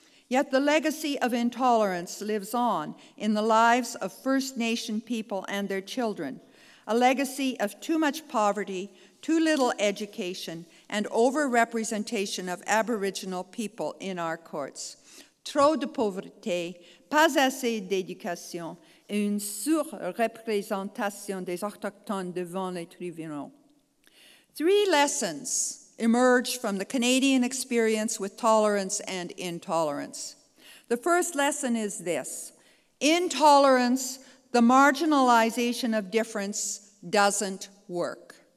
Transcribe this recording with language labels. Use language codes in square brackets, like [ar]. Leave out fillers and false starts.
[en] Yet the legacy of intolerance lives on in the lives of First Nation people and their children, a legacy of too much poverty, too little education, and overrepresentation of Aboriginal people in our courts. [fr] Trop de pauvreté, pas assez d'éducation, et une sur-représentation des autochtones devant les tribunaux. [en] Three lessons emerged from the Canadian experience with tolerance and intolerance. The first lesson is this: intolerance, the marginalization of difference, doesn't work.